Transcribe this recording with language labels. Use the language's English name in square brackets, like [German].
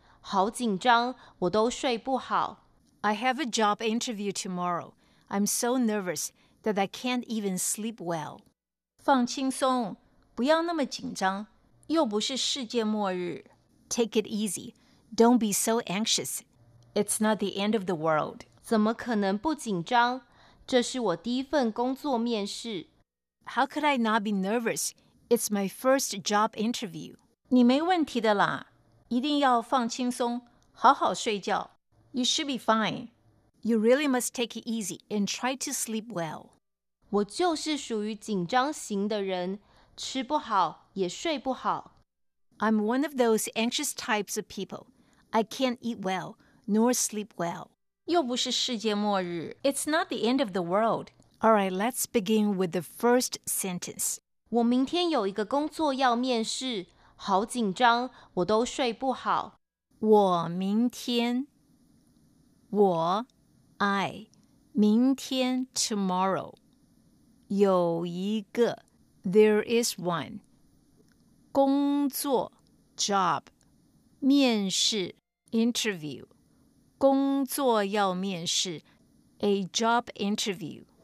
[English] I have a job interview tomorrow. I'm so nervous that I can't even sleep well. [Chinese] 放轻松，不要那么紧张，又不是世界末日。 [English] Take it easy. Don't be so anxious. It's not the end of the world. [Chinese] 怎么可能不紧张？这是我第一份工作面试。 [English] How could I not be nervous? It's my first job interview. [Chinese] 你没问题的啦，一定要放轻松，好好睡觉。 [English] You should be fine. You really must take it easy and try to sleep well. [Chinese] 我就是属于紧张型的人，吃不好也睡不好。 [English] I'm one of those anxious types of people. I can't eat well nor sleep well. [Chinese] 又不是世界末日。 [English] It's not the end of the world. All right, let's begin with the first sentence. [Chinese] 我明天有一个工作要面试，好紧张，我都睡不好。我明天。我, I, 明天, tomorrow, 有一个, [English] there is one, [Chinese] 工作, job, 面试, interview, 工作要面试, [English] a job interview.